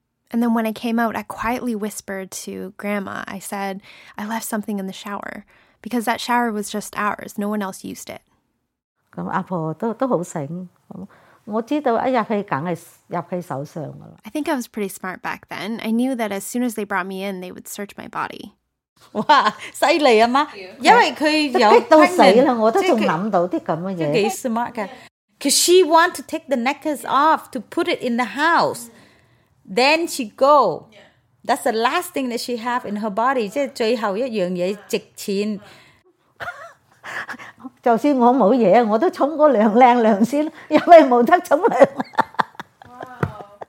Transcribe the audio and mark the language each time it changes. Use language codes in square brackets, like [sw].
[en] And then when I came out, I quietly whispered to Grandma. I said I left something in the shower because that shower was just ours. No one else used it. [yue] 咁阿婆都好醒。 [en] I think I was pretty smart back then. I knew that as soon as they brought me in, they would search my body. [yue] Wow, 厲害啊媽！因為佢有都死啦，我都仲諗到啲咁嘅嘢。幾 [en] smart [yue] 嘅 [en] ，cause she want to take the necklace off to put it in the house. Then she go. That's the last thing that she have in her body. [yue] 即係最後一樣嘢值錢。就算我冇嘢，我都冲嗰凉靓凉先，因为冇得冲凉。Wow.